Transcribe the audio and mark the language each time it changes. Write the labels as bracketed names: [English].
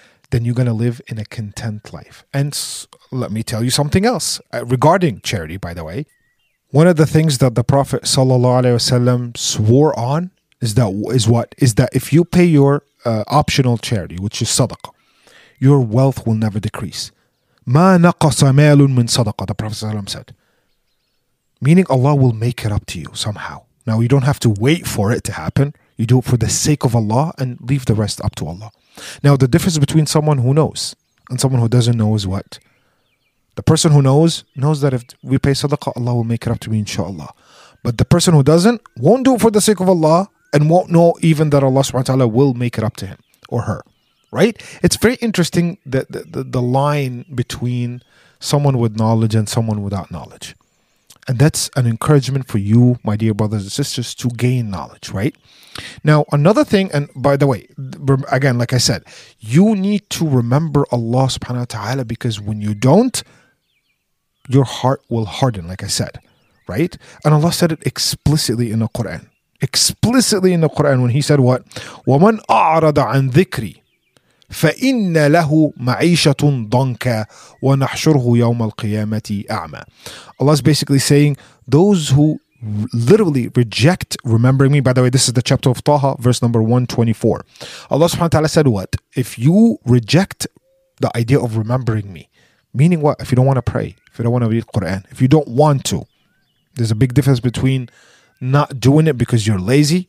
[English] Then you're going to live in a content life. And let me tell you something else regarding charity, by the way. One of the things that the Prophet sallallahu alaihi wasallam swore on is that if you pay your optional charity, which is sadaqah, your wealth will never decrease. [Arabic] مَا نَقَصَ مَالٌ مِنْ صَدَقَةٍ, [English] the Prophet ﷺ said. Meaning Allah will make it up to you somehow. Now you don't have to wait for it to happen. You do it for the sake of Allah and leave the rest up to Allah. Now the difference between someone who knows and someone who doesn't know is what? The person who knows that if we pay sadaqah, Allah will make it up to me inshallah. But the person who doesn't won't do it for the sake of Allah and won't know even that Allah subhanahu wa ta'ala will make it up to him or her. Right? It's very interesting the line between someone with knowledge and someone without knowledge. And that's an encouragement for you, my dear brothers and sisters, to gain knowledge, right? Now, another thing, and by the way, again, like I said, you need to remember Allah subhanahu wa ta'ala, because when you don't, your heart will harden, like I said, right? And Allah said it explicitly in the Quran. Explicitly in the Quran when He said what? [Arabic] وَمَنْ أَعْرَضَ عَنْ ذِكْرِي فَإِنَّ لَهُ مَعِيشَةٌ ضَنْكَ وَنَحْشُرْهُ يَوْمَ الْقِيَامَةِ أَعْمَى. [English] Allah is basically saying, those who literally reject remembering me. By the way, this is the chapter of Taha, verse number 124. Allah subhanahu wa ta'ala said what? If you reject the idea of remembering me, meaning what? If you don't want to pray, if you don't want to read Quran, if you don't want to, there's a big difference between not doing it because you're lazy.